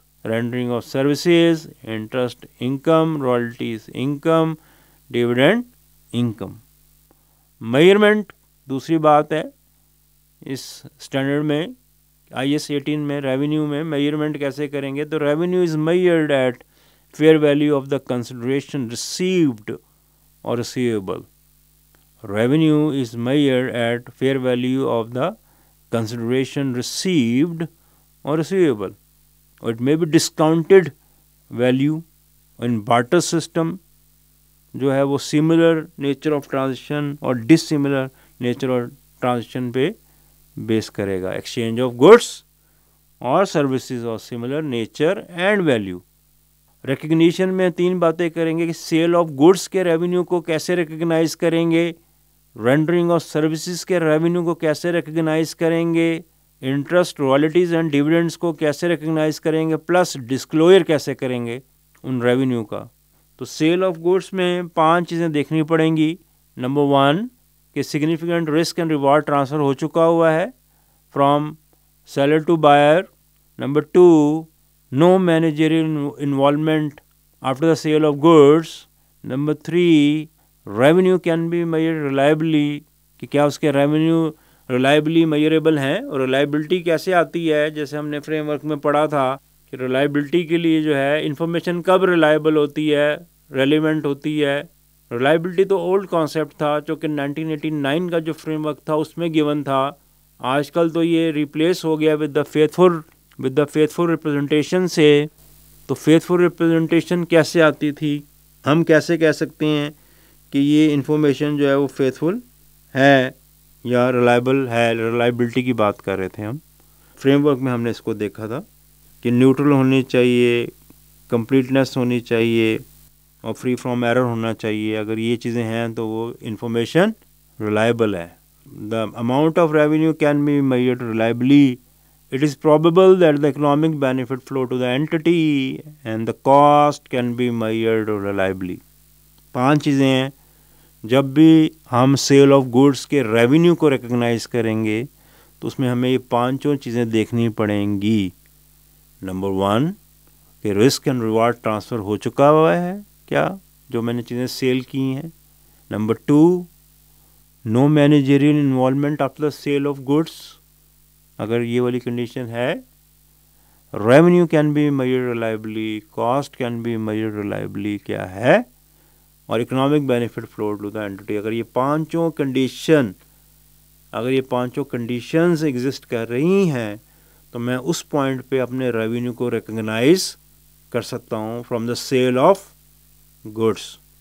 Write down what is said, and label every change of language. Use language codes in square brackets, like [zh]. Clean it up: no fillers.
[en] rendering of services, interest income, royalties income, dividend income. [hi] Measurement दूसरी बात है इस standard में IAS 18 में revenue में measurement कैसे करेंगे. [en] तो revenue is measured at fair value of the consideration received or receivable. Revenue is measured at fair value of the consideration received or receivable. Or it may be discounted value in barter system. [hi] जो है वो [en] similar nature of transaction or dissimilar nature of transaction पे base करेगा. Exchange of goods or services of similar nature and value. [hi] Recognition में तीन बातें करेंगे कि [en] sale of goods [hi] के revenue को कैसे recognize करेंगे, [en] rendering of services [hi] के revenue को कैसे recognize करेंगे, [en] interest, royalties and dividends [hi] को कैसे recognize करेंगे, plus disclosure कैसे करेंगे उन revenue का. तो sale of goods में पांच चीज़ें देखनी पड़ेंगी. [en] Number one, कि significant risk and reward transfer [hi] हो चुका हुआ है [en] from seller to buyer. Number two, no managerial involvement after the sale of goods. Number three, revenue can be measured reliably. [hi] कि क्या उसके revenue reliably measurable हैं और reliability कैसे आती है. जैसे हमने framework में पढ़ा था कि reliability के लिए जो है information कब reliable होती है, relevant होती है. Reliability तो [en] old concept [hi] था जो कि 1989 का जो framework था उसमें given था. आजकल तो ये replace हो गया [en] with the faithful representation [hi] से. तो [en] faithful representation [hi] कैसे आती थी, हम कैसे कह सकते हैं कि ये information जो है वो faithful है या reliable है. reliability की बात कर रहे थे हम. framework में हमने इसको देखा था कि neutral होनी चाहिए, completeness होनी चाहिए और [en] free from error [hi] होना चाहिए. अगर ये चीज़ें हैं तो वो information reliable है. [en] the amount of revenue can be measured reliably. It is probable that the economic benefit flow to the entity and the cost can be measured reliably. [hi] पांच चीज़ें हैं. जब भी हम [en] sale of goods [hi] के revenue को recognize करेंगे तो उसमें हमें ये पांचों चीज़ें देखनी पड़ेंगी. Number one, कि [en] risk and reward transfer [hi] हो चुका हुआ है क्या जो मैंने चीज़ें sale की हैं. [en] Number two, no managerial involvement after the sale of goods. [hi] अगर ये वाली कंडीशन है, [en] revenue can be measure reliably, cost can be measure reliably [hi] क्या है और [en] Economic benefit flow to the entity. [hi] अगर ये पांचों कंडीशन, अगर ये पांचों कंडीशंस एग्जिस्ट कर रही हैं तो मैं उस पॉइंट पे अपने रेवेन्यू को रिकॉग्नाइज कर सकता हूँ [en] From the sale of goods.